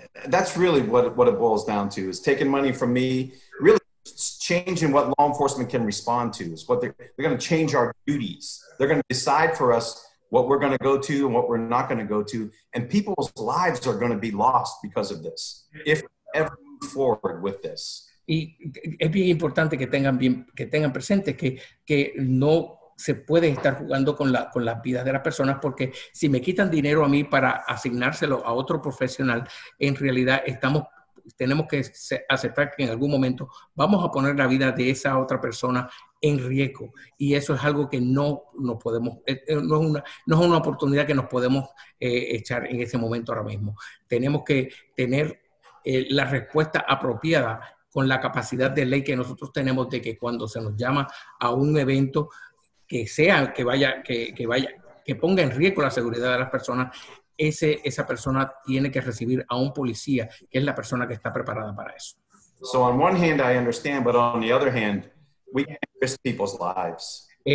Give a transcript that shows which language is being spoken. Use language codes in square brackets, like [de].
[en] that's really what it boils down to, is taking money from me, really changing what law enforcement can respond to. Is what they're going to change our duties. They're going to decide for us what we're going to go to and what we're not going to go to. And people's lives are going to be lost because of this, if we ever move forward with this. [es] Y es bien importante que tengan presente que no se puede estar jugando con las vidas de las personas, porque si me quitan dinero a mí para asignárselo a otro profesional, en realidad tenemos que aceptar que en algún momento vamos a poner la vida de esa otra persona en riesgo. Y eso es algo que no es una oportunidad que nos podemos echar en ese momento ahora mismo. Tenemos que tener la respuesta apropiada con la capacidad de ley que nosotros tenemos, de que cuando se nos llama a un evento que sea que ponga en riesgo la seguridad de las personas, esa persona tiene que recibir a un policía, que es la persona que está preparada para eso. [en] So on one hand I understand, but on the other hand we can't risk people's lives.